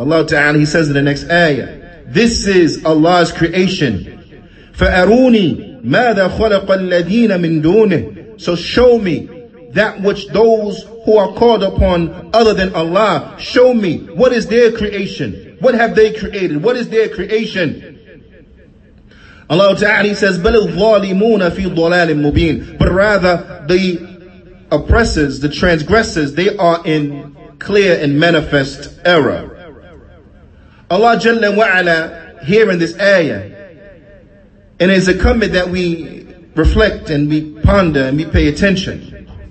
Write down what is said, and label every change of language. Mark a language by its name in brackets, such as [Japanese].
[English] Allah Ta'ala, he says in the next ayah, this is Allah's creation. [Arabic] فَأَرُونِي مَاذَا خَلَقَ الَّذِينَ مِن دُونِهِ. [English] So show me that which those who are called upon other than Allah, show me what is their creation. What have they created? What is their creation? [Arabic] Allah Ta'ala, [English] he says, [Arabic] بَلِ الظَّالِمُونَ فِي ضَلَالٍ مُبِينٍ. [English] But rather, the oppressors, the transgressors, they are in clear and manifest error. Allah Jalla wa'ala, here in this ayah, and it's incumbent that we reflect and we ponder and we pay attention.